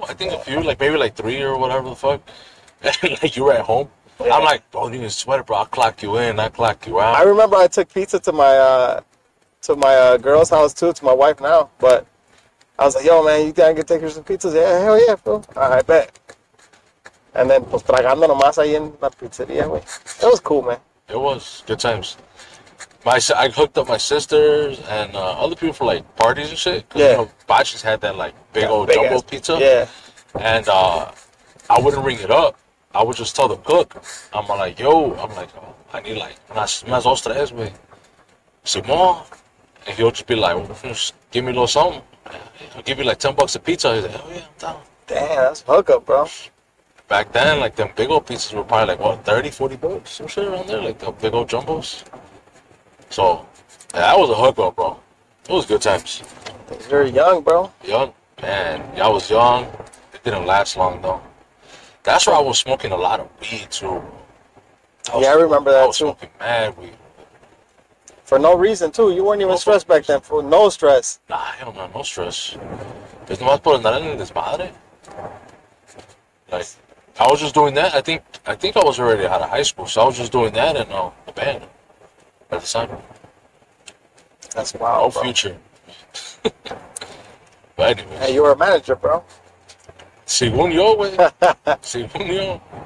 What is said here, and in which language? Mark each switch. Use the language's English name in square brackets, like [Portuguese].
[English] I think a few, like maybe like three or whatever the fuck. Like you were at home. Yeah. I'm like, bro, you can sweat it, bro. I'll clock you in. I'll clock you out. I remember I took pizza to my girl's house too, to my wife now. But I was like, yo, man, you think I can take her some pizzas? Yeah, hell yeah, bro. I bet. And then, [Spanish] pues tragando nomás ahí en la pizzería, güey. [English] It was cool, man. It was. Good times. I hooked up my sisters and other people for, like, parties and shit. Cause, yeah. You know, Bocce's had that, like, big old jumbo pizza. Yeah. And I wouldn't ring it up. I would just tell the cook. I'm like, yo. I'm like, oh, I need, like, [Spanish] unas ostras, wey. Simón. [English] And he'll just be like, well, just give me a little something. He'll give you, like, 10 bucks a pizza. He's like, oh, yeah, I'm down. Damn, that's hookup, bro. Back then, like, them big old pizzas were probably, like, what, 30, 40 bucks? Some shit around there, like, the big old jumbos. So, yeah, that was a hookup, bro. It was good times. You were young, bro. Young? Man, yeah, I was young. It didn't last long, though. That's where I was smoking a lot of weed, too. I remember that, too. I was smoking mad weed. For no reason, too. You weren't even stressed back then. For no stress. Nah, hell no, no stress. There's [Spanish] no más por andar en el desmadre. [English] Like, I was just doing that. I think I was already out of high school, so I was just doing that in the band. At the time. That's wild. No bro. Future. But anyways. Hey, you were a manager, bro. [Spanish] Según yo, wey. Según yo.